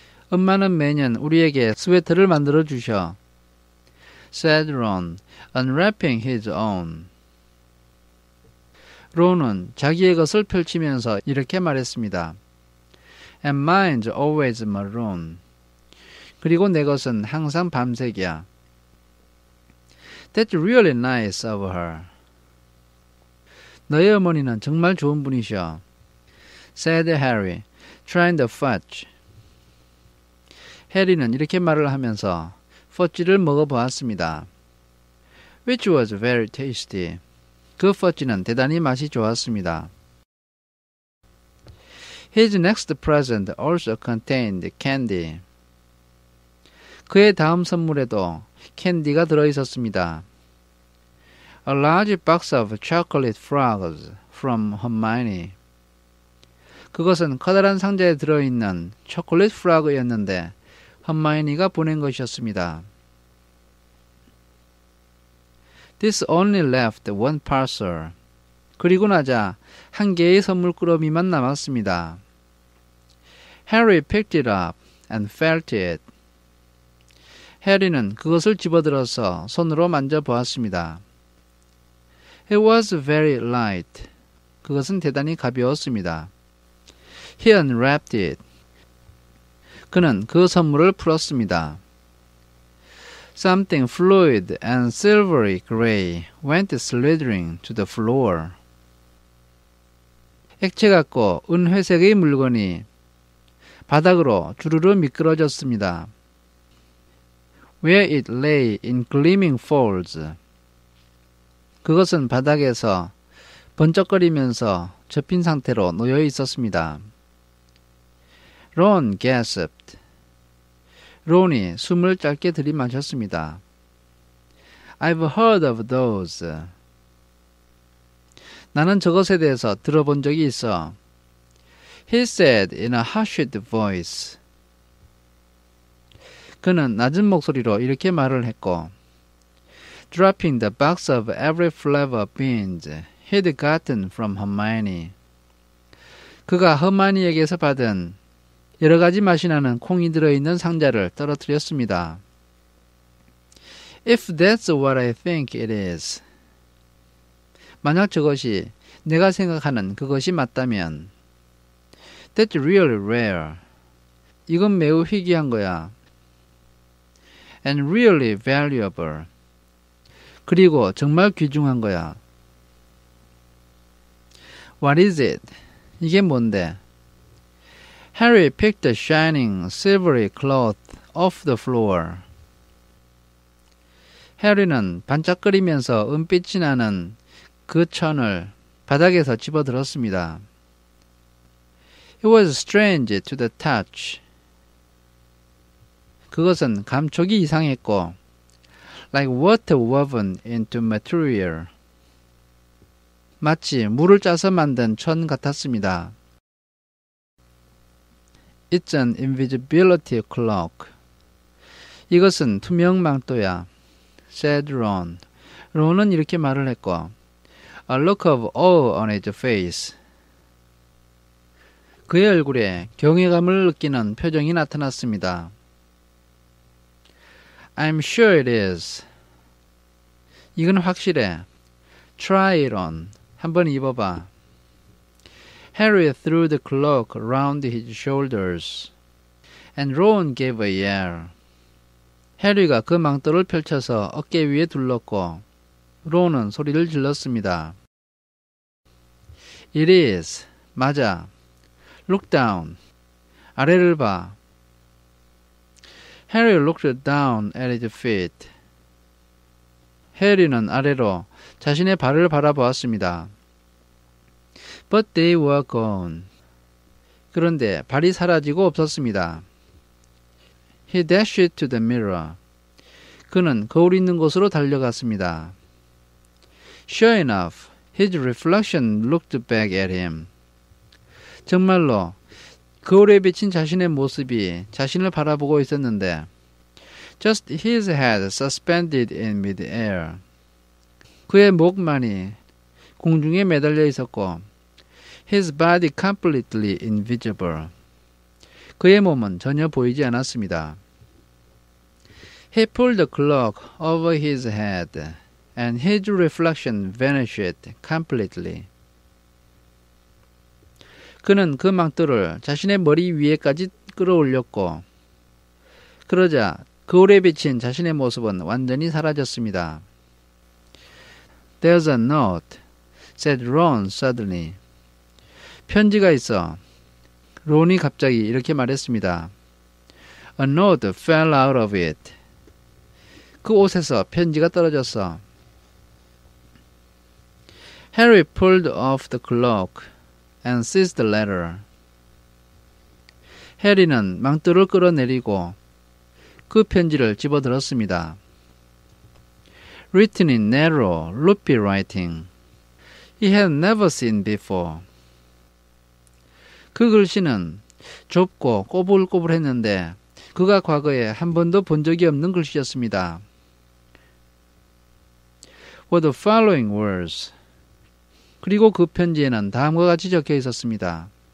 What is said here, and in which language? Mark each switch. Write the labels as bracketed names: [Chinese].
[Korean] 엄마는 매년 우리에게 스웨터를 만들어 주셔. [English] Said Ron, unwrapping his own. [Korean] 론은 자기의 것을 펼치면서 이렇게 말했습니다. [English] And mine's always maroon. [Korean] 그리고 내 것은 항상 밤색이야. [English] That's really nice of her. [Korean] 너의 어머니는 정말 좋은 분이셔. [English] Said Harry, trying the fudge. [Korean] 해리는 이렇게 말을 하면서 펀지를 먹어보았습니다. [English] Which was very tasty. [Korean] 그 펀지는 대단히 맛이 좋았습니다. [English] His next present also contained candy. [Korean] 그의 다음 선물에도 캔디가 들어있었습니다. [English] A large box of chocolate frogs from Hermione. [Korean] 그것은 커다란 상자에 들어있는 초콜릿 프로그였는데 헌마이니가 보낸 것이었습니다. [English] This only left one parcel. [Korean] 그리고 나자 한 개의 선물 꾸러미만 남았습니다. [English] Harry picked it up and felt it. [Korean] 해리는 그것을 집어들어서 손으로 만져보았습니다. [English] It was very light. [Korean] 그것은 대단히 가벼웠습니다. [English] He unwrapped it. [Korean] 그는 그 선물을 풀었습니다. [English] Something fluid and silvery gray went slithering to the floor. [Korean] 액체 같고 은회색의 물건이 바닥으로 주르르 미끄러졌습니다. [English] Where it lay in gleaming folds. [Korean] 그것은 바닥에서 번쩍거리면서 접힌 상태로 놓여 있었습니다. [English] Ron gasped. [Korean] 론이 숨을 짧게 들이마셨습니다. [English] I've heard of those. [Korean] 나는 저것에 대해서 들어본 적이 있어. [English] He said in a hushed voice. [Korean] 그는 낮은 목소리로 이렇게 말을 했고, [English] Dropping the box of every flavor beans he'd gotten from Hermione. [Korean] 그가 허마니에게서 받은 여러 가지 맛이 나는 콩이 들어있는 상자를 떨어뜨렸습니다. [English] If that's what I think it is. [Korean] 만약 저것이 내가 생각하는 그것이 맞다면. [English] That's really rare. [Korean] 이건 매우 희귀한 거야. [English] And really valuable. [Korean] 그리고 정말 귀중한 거야. [English] What is it? [Korean] 이게 뭔데? [English] Harry picked a shining, silvery cloth off the floor. [Korean] 해리는 반짝거리면서 은빛이 나는 그 천을 바닥에서 집어들었습니다. [English] It was strange to the touch. [Korean] 그것은 감촉이 이상했고, [English] like water woven into material. [Korean] 마치 물을 짜서 만든 천 같았습니다. [English] It's an invisibility cloak. [Korean] 이것은 투명 망토야. [English] Said Ron. [Korean] Ron은 이렇게 말을 했고, [English] A look of awe on his face. [Korean] 그의 얼굴에 경외감을 느끼는 표정이 나타났습니다. [English] I'm sure it is. [Korean] 이건 확실해. [English] Try it on. [Korean] 한번 입어봐. [English] Harry threw the cloak round his shoulders, and Ron gave a yell. [Korean] 해리가 그 망토를 펼쳐서 어깨 위에 둘렀고, 론은 소리를 질렀습니다. [English] It is. [Korean] 맞아. [English] Look down. [Korean] 아래를 봐. [English] Harry looked down at his feet. [Korean] 해리는 아래로 자신의 발을 바라보았습니다. [English] But they were gone. [Korean] 그런데 발이 사라지고 없었습니다. [English] He dashed to the mirror. [Korean] 그는 거울 있는 곳으로 달려갔습니다. [English] Sure enough, his reflection looked back at him. [Korean] 정말로 거울에 비친 자신의 모습이 자신을 바라보고 있었는데, [English] Just his head suspended in mid-air. [Korean] 그의 목만이 공중에 매달려 있었고, [English] His body completely invisible. [Korean] 그의 몸은 전혀 보이지 않았습니다. [English] He pulled the cloak over his head, and his reflection vanished completely. [Korean] 그는 그 망토를 자신의 머리 위에까지 끌어올렸고, 그러자 거울에 비친 자신의 모습은 완전히 사라졌습니다. [English] There's a note, said Ron suddenly. [Korean] 편지가 있어. 론이 갑자기 이렇게 말했습니다. [English] A note fell out of it. [Korean] 그 옷에서 편지가 떨어졌어. [English] Harry pulled off the cloak and seized the letter. [Korean] 해리는 망토를 끌어내리고 그 편지를 집어들었습니다. [English] Written in narrow, loopy writing. He had never seen before. [Korean] 그 글씨는 좁고 꼬불꼬불했는데 그가 과거에 한 번도 본 적이 없는 글씨였습니다. [English] For the following words. [Korean] 그리고 그 편지에는 다음과 같이 적혀 있었습니다.